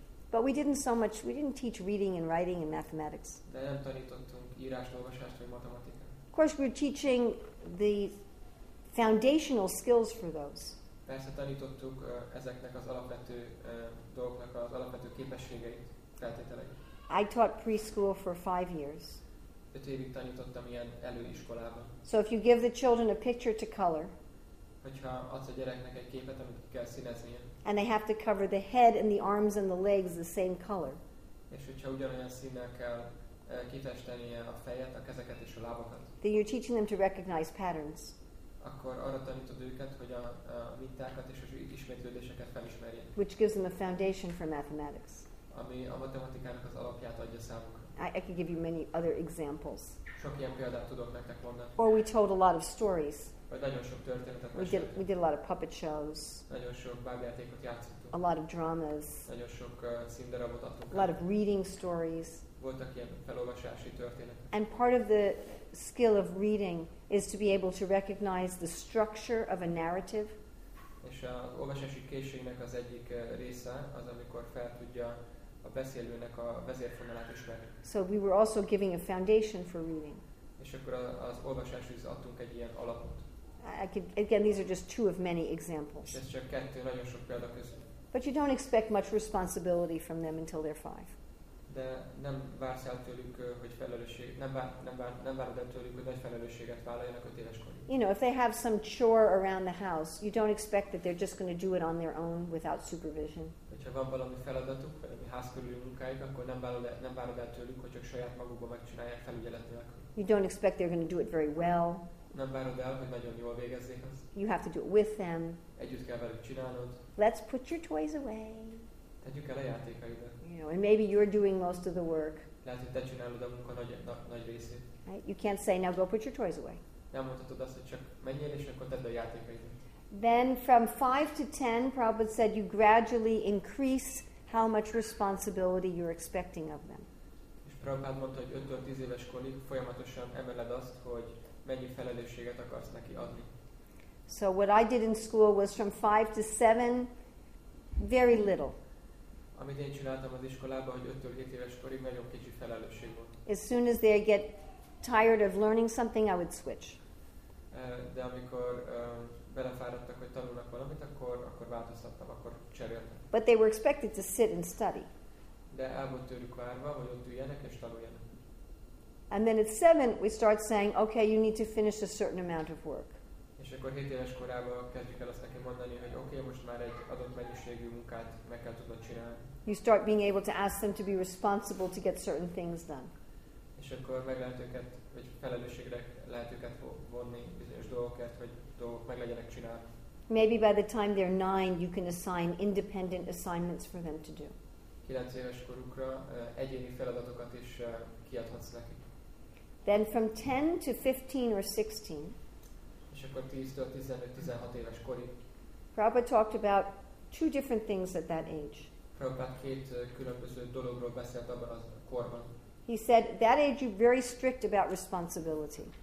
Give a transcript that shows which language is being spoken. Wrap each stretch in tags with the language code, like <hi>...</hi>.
<en>But we didn't teach reading and writing and mathematics.</en> <hu>De nem tanítottunk írás, olvasást vagy matematikát.</hu> <en>Of course, we're teaching the foundational skills for those.</en> <hu>Persze tanítottuk ezeknek az alapvető dolgoknak az alapvető képességeit, feltételeit.</hu> <en>I taught preschool for 5 years.</en> <hu>5 évig tanítottam ilyen előiskolában.</hu> <en>So if you give the children a picture to color.</en> <hu>Hogyha adsz a gyereknek egy képet, amit ki kell színeznie.</hu> <en>And they have to cover the head and the arms and the legs the same color.</en> <hu>És hogyha ugyanolyan színnel kell kitestenie a fejet, a kezeket és a lábakat.</hu> <en>Then you're teaching them to recognize patterns.</en> <hu>Akkor arra tanítod őket, hogy a mintákat és az ismétlődéseket felismerjék.</hu> <en>Which gives them a foundation for mathematics.</en> <hu>Ami a matematikának az alapját adja számukra.</hu> <en>I could give you many other examples.</en> <hu>Sok ilyen példát tudok nektek mondani.</hu> <en>Or we told a lot of stories.</en> <hu>Vagy nagyon sok történetet meséltünk.</hu> <en>We did a lot of puppet shows.</en> <hu>Nagyon sok bábjátékot játszottunk.</hu> <en>a lot of dramas.</en> <hu>Nagyon sok színdarabot adtunk.</hu> <en>A lot of reading stories.</en> <hu>Voltak ilyen felolvasási történetek.</hu> <en>And part of the skill of reading is to be able to recognize the structure of a narrative.</en> <hu>És a olvasási készségnek az egyik része az, amikor fel tudja a beszélőnek a vezérfonalát ismerni.</hu> <en>So we were also giving a foundation for reading.</en> <hu>És akkor az olvasáshoz adtunk egy ilyen alapot.</hu> <en>Again, these are just two of many examples.</en> <hu>És ez csak kettő, nagyon sok példa közül.</hu> <en>But you don't expect much responsibility from them until they're five.</en> <hu>De nem vársz el tőlük, hogy felelősség, nem várod el tőlük, hogy nagy felelősséget vállaljanak 5 éves korig.</hu> <en>You know, if they have some chore around the house, you don't expect that they're just going to do it on their own without supervision.</en> <hu>Hogyha van valami feladatuk, valami ház körüli munkáik, akkor nem várod el tőlük, hogy csak saját magukba megcsinálják felügyelet nélkül.</hu> <en>You don't expect they're going to do it very well.</en> <hu>Nem várod el, hogy nagyon jól végezzék azt.</hu> <en>You have to do it with them.</en> <hu>Együtt kell velük csinálnod.</hu> <en>Let's put your toys away.</en> <hu>Tegyük el a játékaidat.</hu> <en>You know, and maybe you're doing most of the work.</en> <hu>Lehet, hogy te csinálod a munka nagy részét.</hu> <en>Right? You can't say, now go put your toys away.</en> <hu>Nem mondhatod azt, hogy csak menjél, és akkor tedd a játékaidat.</hu> <en>Then from 5 to 10, Prabhupada said, you gradually increase how much responsibility you're expecting of them.</en> <hu>És Prabhupada mondta, hogy 5-10 éves korig folyamatosan emeled azt, hogy mennyi felelősséget akarsz neki adni.</hu> <en>So what I did in school was from 5 to 7, very little.</en> <hu>Amit én csináltam az iskolában, hogy 5-7 éves korig nagyon kicsi felelősség volt.</hu> <en>As soon as they get tired of learning something, I would switch.</en> <hu>De amikor belefáradtak, hogy tanulnak valamit, akkor változtattam, akkor cseréltem.</hu> <en>But they were expected to sit and study.</en> <hu>De el volt tőlük várva, hogy ott üljenek és tanuljanak.</hu> <en>And then at 7 we start saying, okay, you need to finish a certain amount of work.</en> <hu>És akkor 7 éves korában kezdjük el azt neki mondani, hogy okay, most már egy adott mennyiségű munkát meg kell tudnod csinálni.</hu> <en>You start being able to ask them to be responsible to get certain things done.</en> <hu>És akkor meg lehet őket, vagy felelősségre lehet őket vonni bizonyos dolgokat, hogy dolgok meg legyenek csinálni.</hu> <en>Maybe by the time they're 9 you can assign independent assignments for them to do.</en> <hu>9 éves korukra egyéni feladatokat is kiadhatsz neki.</hu> <en>Then from 10 to 15 or 16.</en> <hu>És akkor 10-től 15-16 éves korig.</hu> <en>Prabhupada talked about two different things at that age.</en> <hu>Prabhupada két különböző dologról beszélt abban a korban.</hu> <en>He said that age you're very strict about responsibility.</en>